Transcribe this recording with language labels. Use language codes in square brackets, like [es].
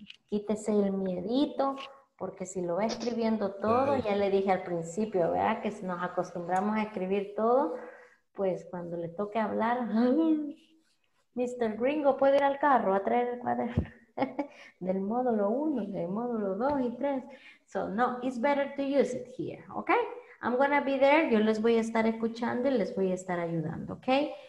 [es] Quítese el miedito, porque si lo va escribiendo todo, ya le dije al principio, ¿verdad? Que si nos acostumbramos a escribir todo, pues cuando le toque hablar, Mr. Gringo, ¿puede ir al carro a traer el cuaderno? Del módulo 1, del módulo 2 y 3. [en] So, no, it's better to use it here, okay? I'm gonna be there. [es] Yo les voy a estar escuchando y les voy a estar ayudando, okay?